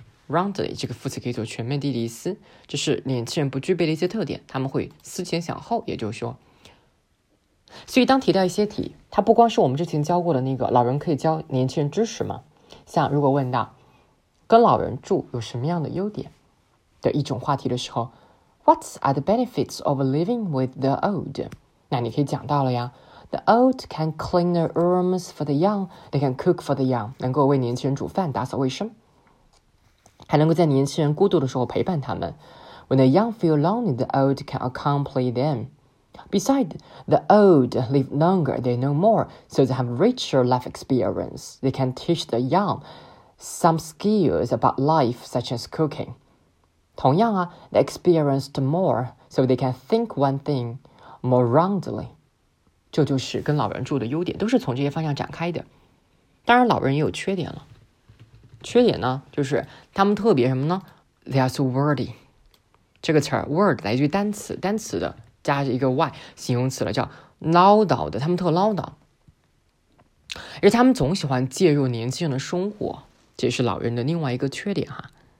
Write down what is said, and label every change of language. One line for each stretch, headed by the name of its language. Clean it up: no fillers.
Chinese: roundly 这个副词可以做全面地的意思，这是年轻人不具备的一些特点，他们会思前想后，也就是说，所以当提到一些题，它不光是我们之前教过的那个老人可以教年轻人知识嘛，像如果问到跟老人住有什么样的优点的一种话题的时候，
English: What are the benefits of living with the old? 那你可以讲到了呀， The old can clean the rooms for the young, they can cook for the young，
Chinese: 能够为年轻人煮饭打扫卫生，还能够在年轻人孤独的时候陪伴他们。
English: When the young feel lonely, the old can accompany them. Besides, the old live longer, they know more, so they have richer life experience. They can teach the young some skills about life, such as cooking.
Chinese: 同样啊，
English: they experienced more, so they can think one thing more roundly.
Chinese: 这就是跟老人住的优点，都是从这些方向展开的。当然老人也有缺点了，缺点呢就是他们特别什么呢，
English: They are so wordy，
Chinese: 这个词 word 来自于单词，单词的加一个 y 形容词了，叫唠叨的，他们特唠叨，而且他们总喜欢介入年轻人的生活，这是老人的另外一个缺点哈。